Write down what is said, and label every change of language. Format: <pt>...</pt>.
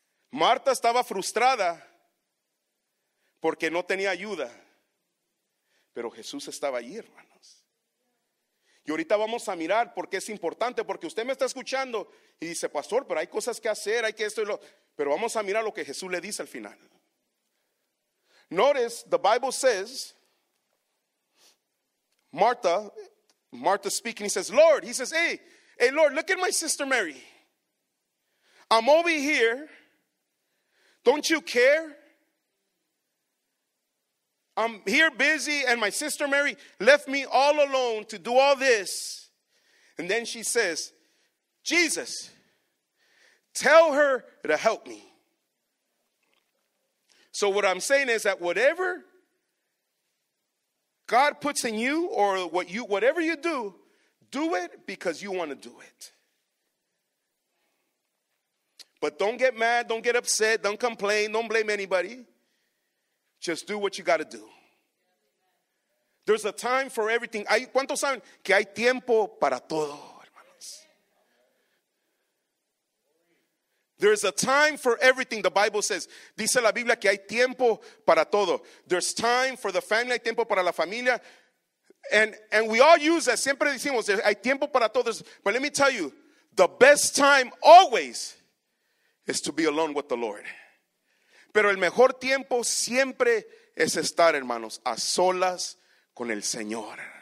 <es>Marta estaba frustrada porque no tenía ayuda, pero Jesús estaba allí, hermanos. Y ahorita vamos a mirar por qué es importante, porque usted me está escuchando y dice: pastor, pero hay cosas que hacer, hay que esto y lo. Pero vamos a mirar lo que Jesús le dice al final.</es> <en>Notice, the Bible says, Martha speaking, he says, Lord, he says, hey Lord, look at my sister Mary. I'm over here. Don't you care? I'm here busy and my sister Mary left me all alone to do all this. And then she says, Jesus, tell her to help me. So what I'm saying is that whatever God puts in you or whatever you do, do it because you want to do it. But don't get mad, don't get upset, don't complain, don't blame anybody. Just do what you got to do. There's a time for everything.</en> <es>¿Cuántos saben que hay tiempo para todo, hermanos?</es> <en>There's a time for everything, the Bible says.</en> <es>Dice la Biblia que hay tiempo para todo.</es> <en>There's time for the family,</en> <es>hay tiempo para la familia.</es> <en>And we all use that.</en> <es>Siempre decimos, hay tiempo para todos.</es> <en>But let me tell you, the best time always is to be alone with the Lord.</en> <es>Pero el mejor tiempo siempre es estar, hermanos, a solas con el Señor.</es>